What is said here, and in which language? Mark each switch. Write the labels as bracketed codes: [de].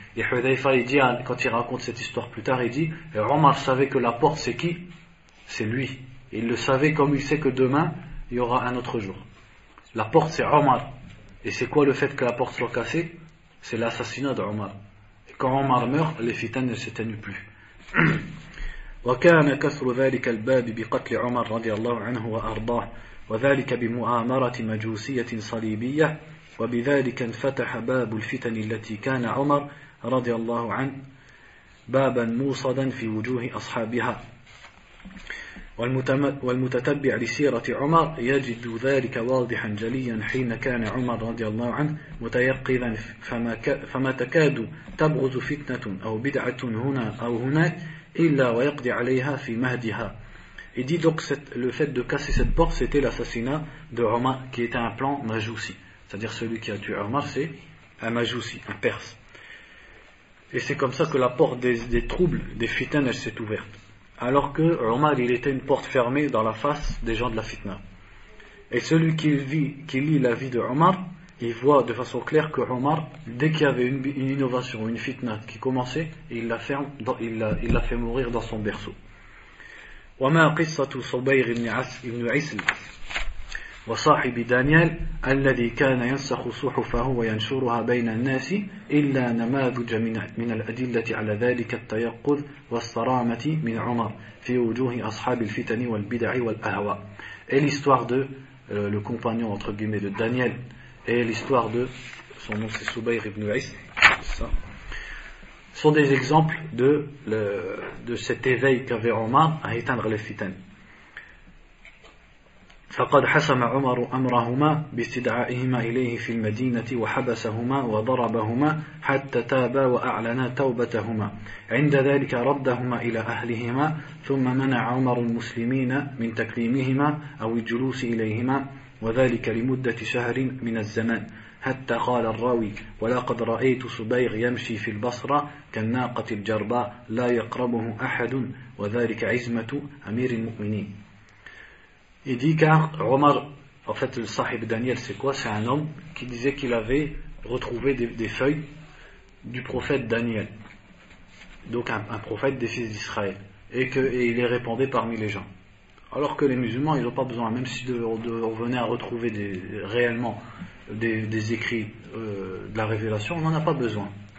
[fr] Et Hudhayfa, il dit, quand il raconte cette histoire plus tard, il dit, et Omar savait que la porte, c'est qui ? C'est lui. Et il le savait comme il sait que demain, il y aura un autre jour. La porte c'est Omar. Et c'est quoi le fait que la porte soit cassée ? C'est l'assassinat d'Omar. Et quand Omar meurt, les fitans ne s'éteignent plus. [ar] وكان كسر ذلك الباب بقتل عمر رضي الله عنه وأرضاه وذلك بمؤامرة مجوسية صليبية وبذلك انفتح باب الفتن التي كان عمر رضي الله عنه بابا موصدا في وجوه أصحابها. والمتتبع لسيرة عمر يجد ذلك واضحا جليا حين كان عمر رضي الله عنه متيقظا فما تكاد تبغز فتنة أو بدعة هنا أو هناك إلا ويقضي عليها في مهدها. [fr] Il dit donc que le fait de casser cette porte, c'était l'assassinat de Omar, qui était un plan majoussi. C'est-à-dire celui qui a tué Omar, c'est un majoussi, un perse. Et c'est comme ça que la porte des troubles, des fitnes, elle s'est ouverte. Alors que Omar, il était une porte fermée dans la face des gens de la fitna. Et celui qui lit la vie de Omar, il voit de façon claire que Omar, dès qu'il y avait une innovation, une fitna qui commençait, il la fait mourir dans son berceau. [ar] وما قصة صبير بن عسل وصاحب دانيال الذي كان ينسخ صحفه وينشرها بين الناس إلا نماذج من الأدلة على ذلك التيقظ والصرامة من عمر في وجوه أصحاب الفتن والبدع والأهواء. [fr] Et l'histoire de le compagnon entre guillemets de Daniel et l'histoire de son nom c'est Soubayr ibn Asl sont des exemples de cet éveil qu'avait Omar à éteindre les fitanes. [ar] فقد حسم عمر أمرهما باستدعائهما إليه في المدينة وحبسهما وضربهما حتى تابا وأعلنا توبتهما عند ذلك ردهما إلى أهلهما ثم منع عمر المسلمين من تكليمهما أو الجلوس إليهما وذلك لمدة شهر من الزمان حتى قال الراوي ولقد رأيت صبيغ يمشي في البصرة كالناقة الجرباء لا يقربه أحد وذلك عزمة أمير المؤمنين. [fr] Il dit car Omar, en fait le sahib Daniel c'est quoi? C'est un homme qui disait qu'il avait retrouvé des feuilles du prophète Daniel, donc un prophète des fils d'Israël, et il les répandait parmi les gens. Alors que les musulmans ils n'ont pas besoin, même si on venait à retrouver réellement des écrits de la révélation, on n'en a pas besoin.